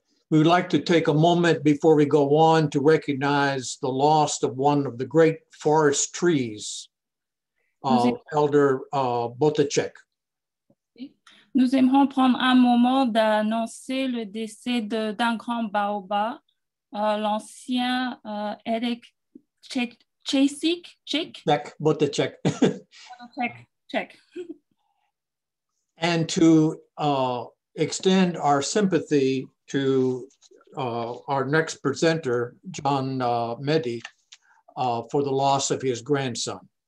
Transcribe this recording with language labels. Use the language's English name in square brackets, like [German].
[English] We would like to take a moment before we go on to recognize the loss of one of the great forest trees, Elder Botacek. [French] Nous aimerons prendre un moment d'annoncer le décès d'un grand baobab, l'ancien Eric Chasik, [English] Check, but the check. check. And to extend our sympathy to our next presenter, John Mehdi, for the loss of his grandson.